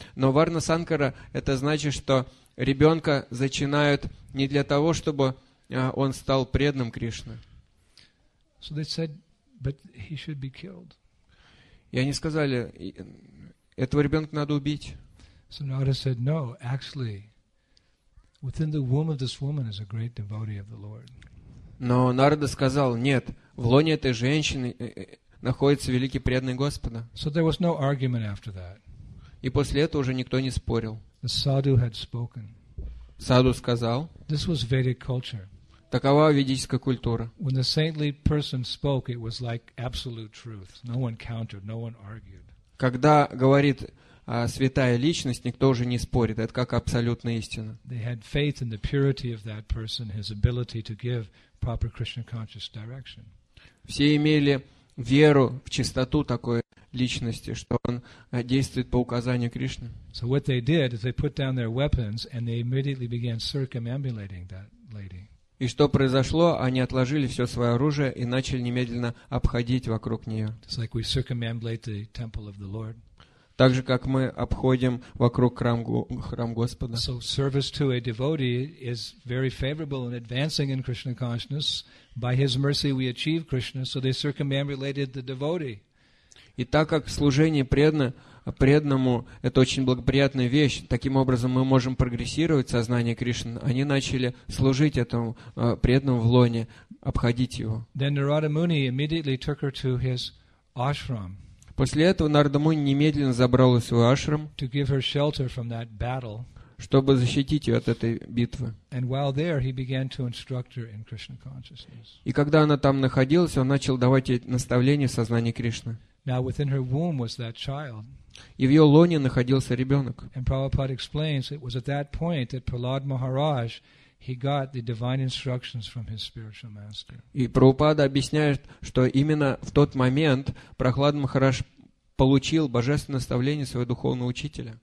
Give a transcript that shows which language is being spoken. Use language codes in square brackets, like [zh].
[ru] Но Варна Санкара, это значит, что ребенка зачинают не для того, чтобы он стал преданным Кришне. [en] So they said, but he should be killed. [ru] И они сказали, этого ребенка надо убить. [en] So Narada said, no, actually, within the womb of this woman is a great devotee of the Lord. [ru] Но Нарада сказал, нет, в лоне этой женщины находится великий преданный Господа. [en] So there was no argument after that. [ru] И после этого уже никто не спорил. [en] The sadhu had spoken. [ru] Саду сказал. [en] This was Vedic culture. [ru] Такова ведическая культура. [en] When the saintly person spoke, it was like absolute truth. No one countered, no one argued. [ru] Когда говорит святая личность, никто уже не спорит. Это как абсолютная истина. [en] They had faith in the purity of that person, his ability to give proper Krishna conscious direction. [ru] Все имели веру в чистоту такой личности, что он действует по указанию Кришны. [en] So what they did is they put down their weapons and they immediately began circumambulating that lady. [ru] И что произошло? Они отложили все свое оружие и начали немедленно обходить вокруг нее. [en] It's like we circumambulate the temple of the Lord. [ru] Так же, как мы обходим вокруг храм Господа. [en] So service to a devotee is very favorable in advancing in Krishna consciousness. By his mercy we achieve Krishna, so they circumambulated the devotee. [ru] И так как служение преданному – это очень благоприятная вещь, таким образом мы можем прогрессировать сознание Кришны. Они начали служить этому преданному в лоне, обходить его. [en] Then Narada Muni immediately took her to his ashram. [ru] После этого Нарада Муни немедленно забрал ее в свой ашрам, [en] to give her shelter from that battle, [ru] чтобы защитить ее от этой битвы. [en] And while there, he began to instruct her in Krishna consciousness. [ru] И когда она там находилась, он начал давать ей наставления в сознании Кришны. [en] Now within her womb was that child. [ru] И в ее лоне находился ребенок. [en] And Prabhupada explains it was at that point that Prahlad Maharaj he got the divine instructions from his spiritual master. [ru] И Прабхупада объясняет, что именно в тот момент Прохлад Махарадж получил божественное наставление своего духовного учителя.